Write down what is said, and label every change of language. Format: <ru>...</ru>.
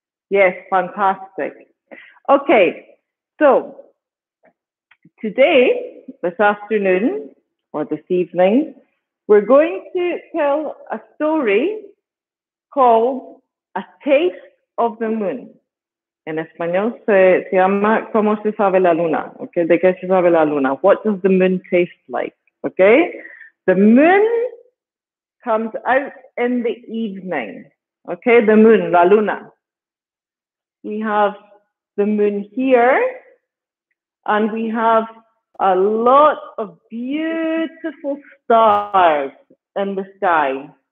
<en>Yes, fantastic. Okay, so today, this afternoon, or this evening, we're going to tell a story called A Taste of the Moon.</en> <es>En español se llama ¿Cómo se sabe la luna?</es> <en>Okay,</en> <es>¿de qué se sabe la luna?</es> <en>What does the moon taste like? Okay, the moon comes out in the evening. Okay, the moon, la luna. We have the moon here, and we have a lot of beautiful stars in the sky.</en>